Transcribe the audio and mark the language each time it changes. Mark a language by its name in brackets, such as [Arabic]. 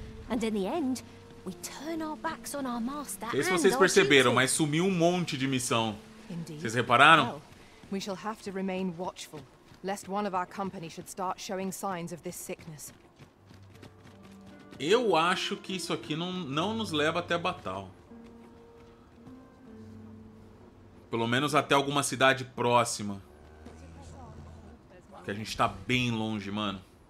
[English] And in the end, we turn our backs on our master. [Portuguese] Não sei se vocês perceberam, mas sumiu um monte de missão. [English] Indeed. [Portuguese] Vocês repararam? [English] Well, we shall have to remain watchful, lest one of our company should start showing signs of this sickness. [Portuguese] Eu acho que isso aqui não nos leva até a Batal. Pelo menos até alguma cidade próxima. Porque a gente tá bem longe, mano.